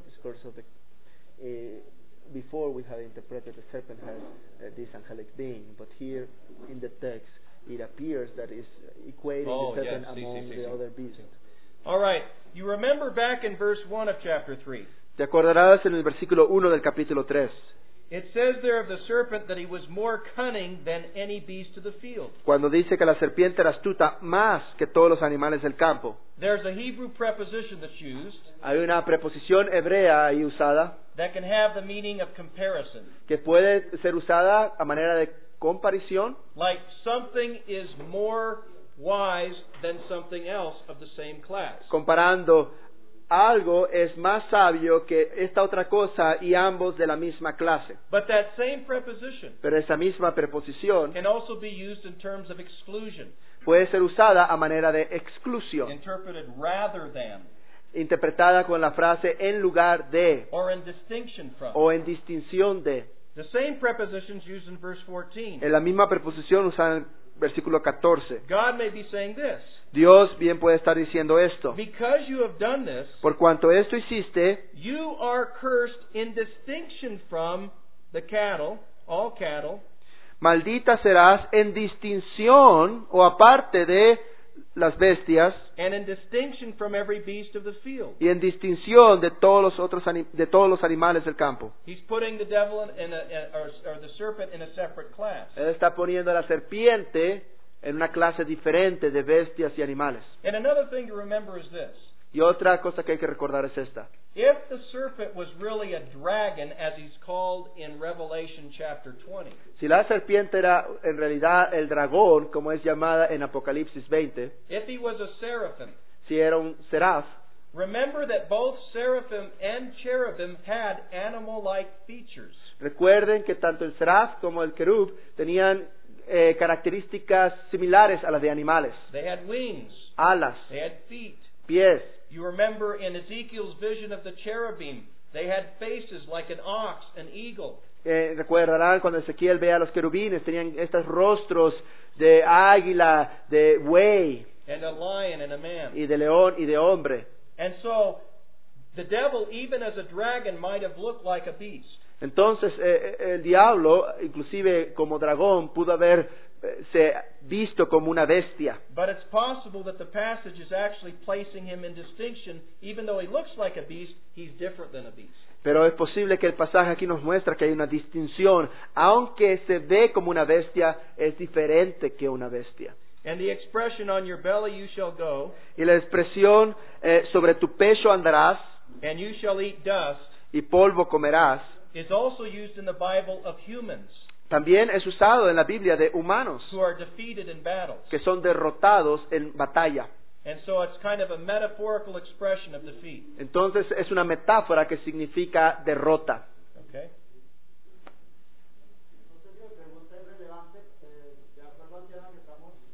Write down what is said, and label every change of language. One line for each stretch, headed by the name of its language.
English: discourse of the before we had interpreted the serpent as this angelic being, but here in the text it appears that it's equating the serpent among the other beasts. All right, you remember back in verse 1 of chapter 3.
Spanish: Te acordarás en el versículo 1 del capítulo 3.
English: It says there of the serpent that he was more cunning than any beast of the field.
Spanish: Cuando dice que la serpiente era astuta más que todos los animales del campo.
English: There's a Hebrew preposition that's used.
Spanish: Hay una preposición hebrea ahí usada.
English: That can have the meaning of comparison.
Spanish: Que puede ser usada a manera de comparación.
English: Like something is more wise than something else of the same class.
Spanish: Comparando algo es más sabio que esta otra cosa y ambos de la misma clase.
English: But that same preposition,
Spanish: pero esa misma preposición,
English: can also be used in terms of exclusion,
Spanish: puede ser usada a manera de exclusión,
English: interpreted rather than,
Spanish: interpretada con la frase en lugar de,
English: or in distinction from,
Spanish: o en distinción de.
English: The same prepositions used in verse 14.
Spanish: En la misma preposición usada en versículo 14.
English: God may be saying this.
Spanish: Dios bien puede estar diciendo esto.
English: Because you have done this,
Spanish: por cuanto esto hiciste,
English: you are cursed in distinction from the cattle, all cattle.
Spanish: Maldita serás en distinción o aparte de las bestias.
English: And in distinction from every beast of the field.
Spanish: Y en distinción de todos los otros de todos los animales del campo.
English: He's putting the devil or the serpent in a separate class.
Spanish: Él está poniendo a la serpiente en una clase diferente de bestias y animales.
English: And another thing to remember is this.
Spanish: Y otra cosa que hay que recordar es esta.
English: If the serpent was really a dragon, as he's called in Revelation chapter 20.
Spanish: Si la serpiente era en realidad el dragón, como es llamada en Apocalipsis 20.
English: If he was a seraphim.
Spanish: Si era un seraf.
English: Remember that both seraphim and cherubim had animal-like features.
Spanish: Recuerden que tanto el seraf como el querub tenían características similares a las de animales.
English: They had wings.
Spanish: Alas.
English: They had feet.
Spanish: Pies.
English: You remember in Ezekiel's vision of the cherubim, they had faces like an ox, an eagle.
Spanish: Recordarán cuando Ezequiel ve a los querubines, tenían estos rostros de águila, de buey.
English: And a lion and a man.
Spanish: Y de león y de hombre.
English: And so, the devil, even as a dragon, might have looked like a beast.
Spanish: Entonces, el diablo, inclusive como dragón, pudo haber se visto como una bestia.
English: But it's possible that the passage is actually placing him in distinction, even though he looks like a beast, he's different than a beast.
Spanish: Pero es posible que el pasaje aquí nos muestra que hay una distinción, aunque se ve como una bestia, es diferente que una bestia.
English: And the expression on your belly you shall go.
Spanish: Y la expresión sobre tu pecho andarás.
English: And you shall eat dust.
Spanish: Y polvo comerás.
English: Is also used in the Bible of humans.
Spanish: También es usado en la Biblia de humanos.
English: Who are defeated in battles.
Spanish: Que son derrotados en batalla.
English: And so it's kind of a metaphorical expression of defeat.
Spanish: Entonces es una metáfora que significa derrota.
English: Okay.
Spanish: Entonces, yo pregunta es relevante. De acuerdo al tema que estamos